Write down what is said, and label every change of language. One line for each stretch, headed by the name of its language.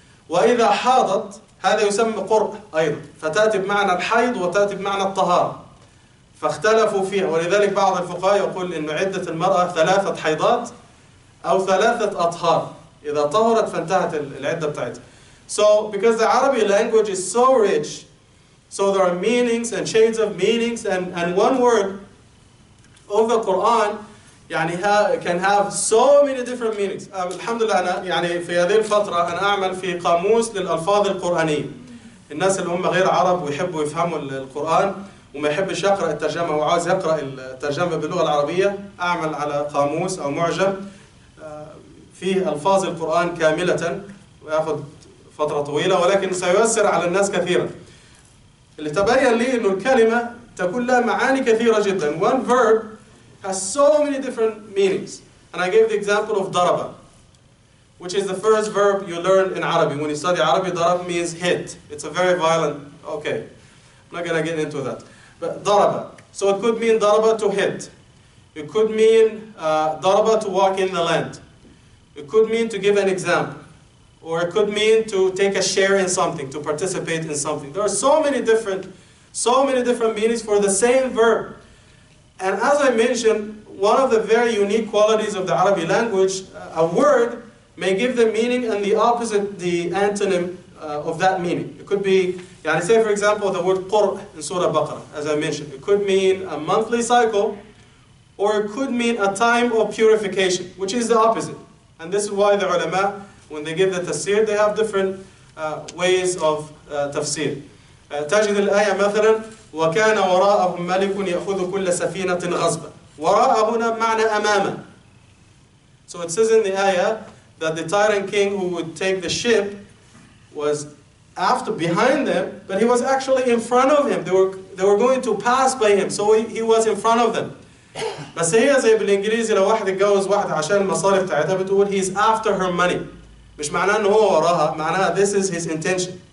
Arabic: وإذا حاضت هذا يسمى قرب أيضا، فتأتي بمعنى الحيض وتأتي بمعنى الطهارة، فاختلفوا فيها. ولذلك بعض الفقهاء يقول إن عدة المرأة ثلاثة حيضات أو ثلاثة أطهار، إذا طهرت فانتهت العدة بتاعتها.
English: So because the Arabic language is so rich, so there are meanings and shades of meanings, and one word of the Quran يعني can have so many different meanings.
Arabic: الحمد لله أنا يعني في هذه الفترة أنا أعمل في قاموس للألفاظ القرآنية. الناس اللي هم غير عرب ويحبوا يفهموا القرآن وما يحبش يقرأ الترجمة وعاوز يقرأ الترجمة باللغة العربية، أعمل على قاموس أو معجم فيه ألفاظ القرآن كاملة، ويأخذ فترة طويلة ولكن سيؤثر على الناس كثيرا. اللي تبين لي إنه الكلمة تكون لها معاني كثيرة جدا.
English: One verb has so many different meanings. And I gave the example of ضربة, which is the first verb you learn in Arabic. When you study Arabic, ضرب means hit. It's a very violent, okay. I'm not gonna get into that. But ضربة. So it could mean ضربة to hit. It could mean ضربة to walk in the land. It could mean to give an example. Or it could mean to take a share in something, to participate in something. There are so many different meanings for the same verb. And as I mentioned, one of the very unique qualities of the Arabic language, a word may give the meaning and the opposite, the antonym of that meaning. It could be, يعني say for example, the word قرء in Surah Baqarah, as I mentioned. It could mean a monthly cycle, or it could mean a time of purification, which is the opposite. And this is why the ulama, when they give the tafsir, they have different ways of tafsir.
Arabic: تجد الآية مثلا وكان وراءهم ملك يأخذ كل سفينة غصبا. وراء هنا معنى أمامه.
English: So it says in the ayah that the tyrant king who would take the ship was after behind them, but he was actually in front of him. They were going to pass by him, so he was in front of them.
Arabic: بس هي زي بالإنجليزي لو واحد اتجوز واحدة عشان المصاريف بتاعتها بتقول
English: he's after her money.
Arabic: مش معناه إنه هو وراها، معناه
English: this is his intention.